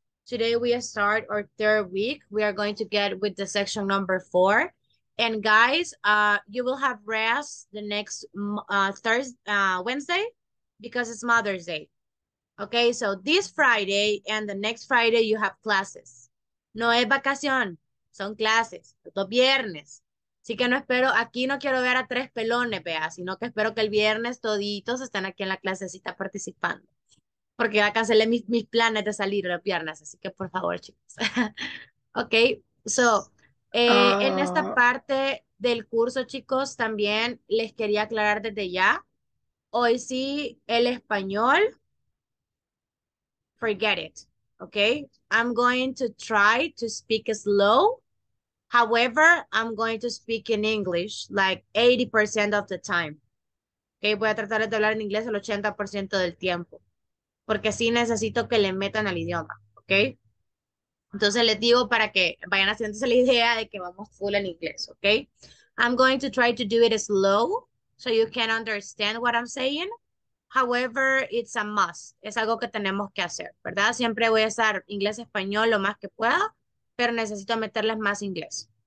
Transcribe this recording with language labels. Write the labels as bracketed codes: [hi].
[en] Today we start our third week. We are going to get with the section number four. And guys, you will have rest the next Thursday, Wednesday, because it's Mother's Day. Okay, so this Friday and the next Friday you have classes. [es] No es vacación, son clases, los viernes. Así que no espero, aquí no quiero ver a tres pelones, vea, sino que espero que el viernes toditos estén aquí en la clasecita participando. Porque ya cancelé mis planes de salir los viernes, así que por favor, chicos. Ok, so, en esta parte del curso, chicos, también les quería aclarar desde ya. Hoy sí, el español, [en] forget it, [es] ok. [en] I'm going to try to speak slow. However, I'm going to speak in English like 80% of the time. [es] Okay, voy a tratar de hablar en inglés el 80% del tiempo, porque sí necesito que le metan al idioma, okay? Entonces les digo para que vayan haciéndose la idea de que vamos full en inglés, okay? [en] I'm going to try to do it slow so you can understand what I'm saying. However, it's a must. [es] Es algo que tenemos que hacer, ¿verdad? Siempre voy a usar inglés-español lo más que pueda. Pero necesito meterles más inglés.